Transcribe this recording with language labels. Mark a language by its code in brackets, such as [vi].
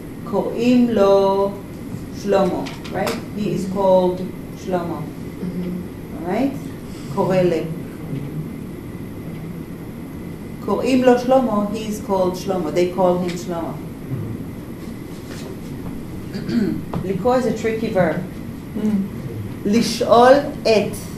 [he] קוראים לו שלמה, right? [en] He is called שלמה. [he] Alright? קורא לי. קוראים לו שלמה, [en] he is called שלמה. They call him שלמה. לקרוא is a tricky verb. [he] לשאול את.